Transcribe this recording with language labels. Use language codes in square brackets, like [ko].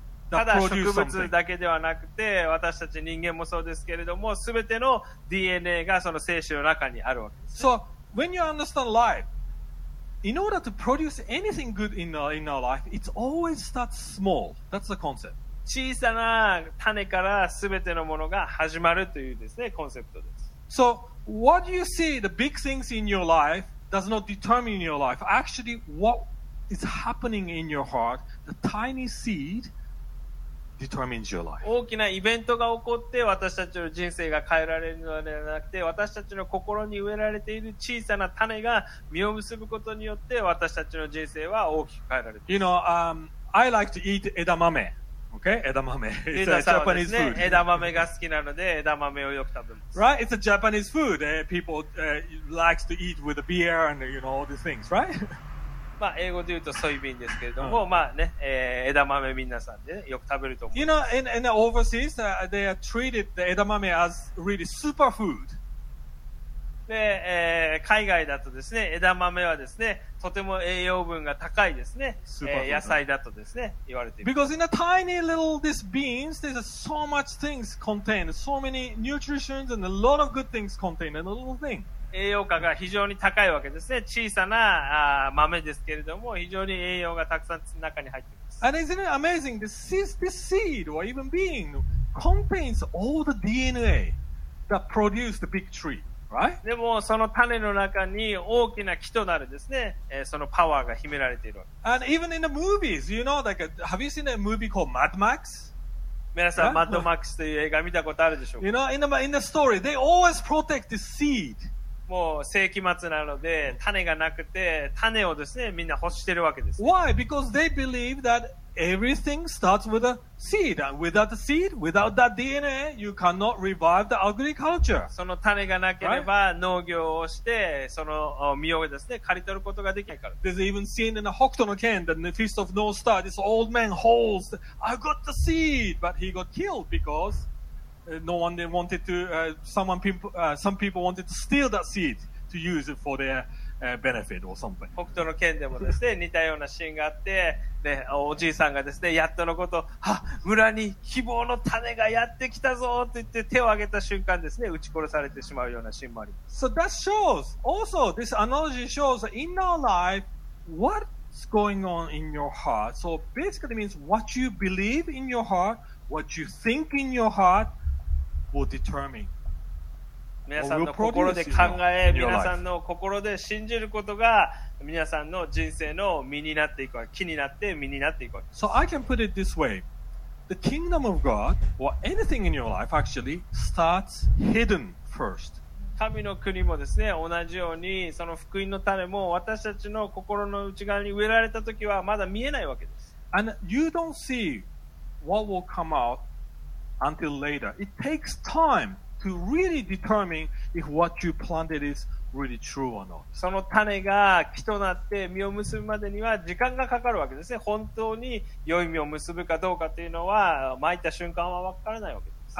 [ja] ただ植物だけではなくて私たち人間もそうですけれども全ての DNA がその精子の中にあるわけです、ね、 [en] So when you understand life in order to produce anything good in our life it always starts small that's the concept [ja] 小さな種から全てのものが始まるというですねコンセプトです [en] So what you see the big things in your life does not determine your life actually what is happening in your heart the tiny seedDetermines your life. [ja] 大きなイベントが起こって私たちの人生が変えられるのではなくて私たちの心に植えられている小さな種が実を結ぶことによって私たちの人生は大きく変えられる [en] You know, I like to eat 枝豆 Okay, 枝豆 It's a Japanese food [ja] 枝豆が好きなので枝豆をよく食べます [en] Right, it's a Japanese food People like to eat with a beer and you know all these things, right? [ja] まあ、英語で言うとソイビンですけれども、まあね、枝豆皆さんで、ね、よく食べると思う。 [en] You know, in overseas, they are treated the 枝豆 as really super food. [ja] で、海外だとですね、枝豆はですね、とても栄養分が高いですね、野菜だとですね、言われています。 [en] Because in a tiny little this beans, there's so much things contained, so many nutrients and a lot of good things contained in a little thing. 栄養価が非常に高いわけですね。小さな豆ですけれども、非常に栄養がたくさん中に入っています。 And isn't it amazing? This seed or even bean contains all the DNA that produced the big tree. Right? [ja] でもその種の中に大きな木となるですね、そのパワーが秘められている。 [en] And even in the movies, you know, like, have you seen a movie called Mad Max? [ja] 皆さん、マッドマックスという映画見たことあるでしょうか? [en] You know, in the story, they always protect the seed. [ja] もう世紀末なので、種がなくて、種をですね、みんな欲してるわけです。 [en] Why? Because they believe that everything starts with a seed. And without the seed, without that DNA, you cannot revive the agriculture. [ja] その種がなければ農業をして、その実をですね、刈り取ることができないから。 [en] There's even seen in the Hokuto no Ken, the Feast of North Star, this old man holds, I got the seed, but he got killed because no one then wanted to, some people wanted to steal that seed to use it for their benefit or something. [ja] 北斗の剣でもですね、似たようなシーンがあって、ね、おじいさんがですね、やっとのこと、村に希望の種がやってきたぞと言って手を挙げた瞬間ですね、撃ち殺されてしまうようなシーンもあります。 [en] So that shows, also this analogy shows in our life, what's going on in your heart. So basically means what you believe in your heart, what you think in your heart will determine. [ja] 皆さんの心で考え、皆さんの心で信じることが皆さんの人生の身になっていくわけ、木になって身になっていくわけ。 [en] So I can put it this way. The kingdom of God or anything in your life actually starts hidden first. [ja] 神の国もですね、同じようにその福音の種も私たちの心の内側に植えられた時はまだ見えないわけです。 [en] And you don't see what will come out until later. It takes time. To really determine if what you planted is really true or not. [ja] その種が木となって実を結ぶまでには時間がかかるわけですね。本当に良い実を結ぶかどうかというのは撒いた瞬間は分からないわけです。